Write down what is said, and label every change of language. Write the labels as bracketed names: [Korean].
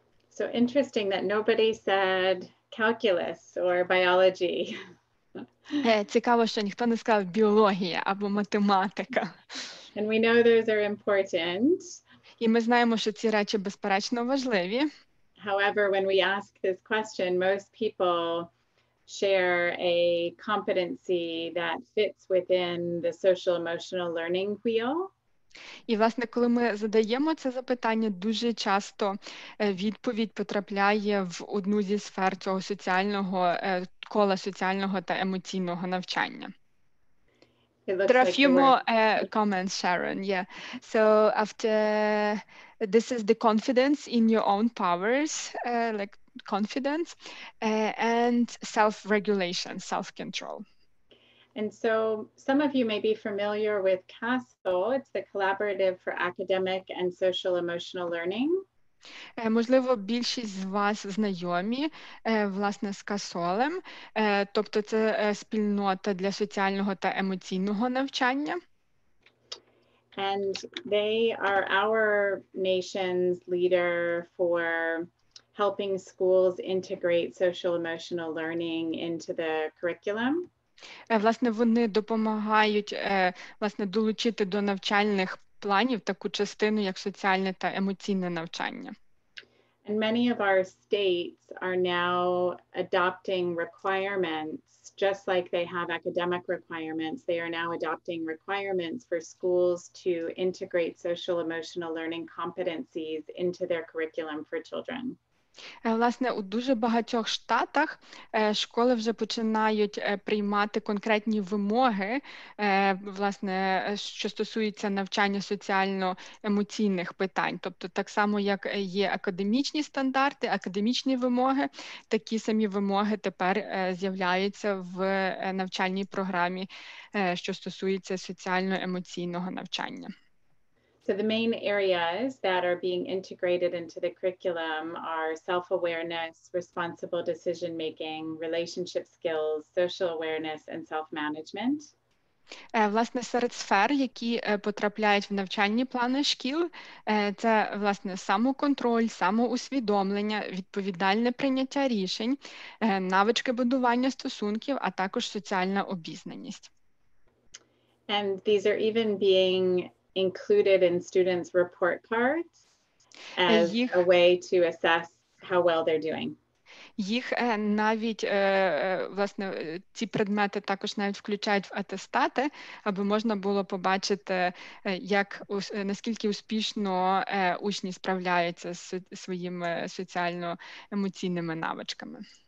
[English] So interesting that nobody said calculus or biology. [Ukrainian] Цікаво, що ніхто не сказав біологія або математика. [English] And we know those are important. [Ukrainian] І ми знаємо, що ці речі безперечно важливі. [English] However, when we ask this question, most people share a competency that fits within the social emotional learning wheel. [Ukrainian] І, власне, коли ми задаємо це запитання, дуже часто відповідь потрапляє в одну зі сфер цього соціального кола соціального та емоційного навчання. [English] There are a few more comments, Sharon. Yeah. So after this is the confidence in your own powers, like confidence, and self-regulation, self-control. And so some of you may be familiar with CASEL. It's the Collaborative for Academic and Social Emotional Learning. [Ukrainian] Можливо, більшість з вас знайомі, власне, з CASEL-ем, тобто це спільнота для соціального та емоційного навчання. [English] And they are our nation's leader for helping schools integrate social emotional learning into the curriculum. [Ukrainian] Власне, вони допомагають, власне, долучити до навчальних планів таку частину, як соціальне та емоційне навчання. [English] And many of our states are now adopting requirements, just like they have academic requirements, they are now adopting requirements for schools to integrate social emotional learning competencies into their curriculum for children. [Ukrainian] Власне, у дуже багатьох штатах школи вже починають приймати конкретні вимоги, власне, що стосується навчання соціально-емоційних питань. Тобто так само, як є академічні стандарти, академічні вимоги, такі самі вимоги тепер з'являються в навчальній програмі, що стосується соціально-емоційного навчання. [English] So the main areas that are being integrated into the curriculum are self-awareness, responsible decision-making, relationship skills, social awareness, and self-management. [Ukrainian] Власне, серед сфер, які потрапляють в навчальні плани шкіл, це, власне, самоконтроль, самоусвідомлення, відповідальне прийняття рішень, навички будування стосунків, а також соціальна обізнаність. [English] And these are even being included in students' report cards as a way to assess how well they're doing. [Ukrainian] Їх навіть, власне, ці предмети також навіть включають в атестати, аби можна було побачити, як, наскільки успішно учні справляються з своїми соціально-емоційними навичками.